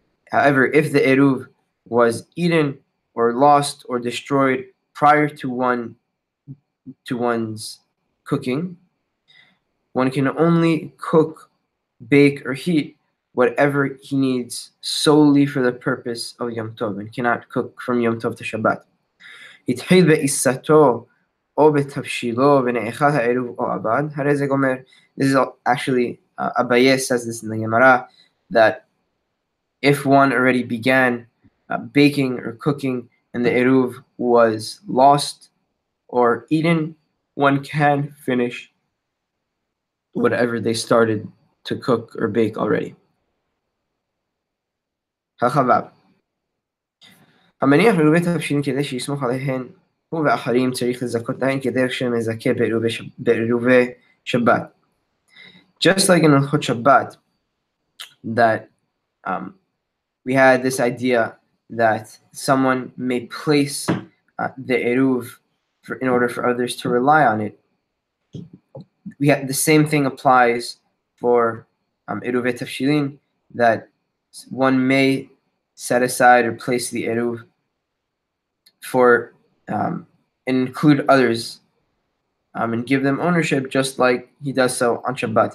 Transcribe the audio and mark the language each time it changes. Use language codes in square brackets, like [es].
[en] However, if the eruv was eaten or lost or destroyed prior to one's cooking, one can only cook, bake, or heat whatever he needs solely for the purpose of Yom Tov, and cannot cook from Yom Tov to Shabbat. [he] התחיל בעיסתו, או בתבשילו ונאכל העירוב או עבד, הרי זה גומר. [en] This is actually, Abaye says this in the Gemara, that if one already began baking or cooking and the eruv was lost or eaten, one can finish whatever they started to cook or bake already. חכבב. [he] המניח לרובי תבשילים כדי שיסמוך עליהן הוא ואחרים צריך לזכות להן כדרך שמזכה בעירובי שבת. [en] Just like in הלכות שבת, that we had this idea that someone may place the עירוב in order for others to rely on it. We had the same thing applies for עירובי תבשילין, that one may set aside or place the עירוב for include others and give them ownership just like he does so on Shabbat.